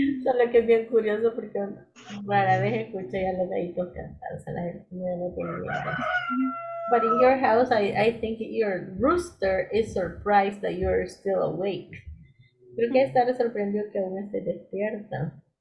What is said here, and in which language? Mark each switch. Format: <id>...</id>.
<es>Solo que es bien curioso porque rara vez escucho ya los gallitos cantar. O sea, la gente no lo tiene miedo.</es> <en>But in your house, I think your rooster is surprised that you're still awake.</en> <es>Creo que está sorprendido que aún esté despierta.</es>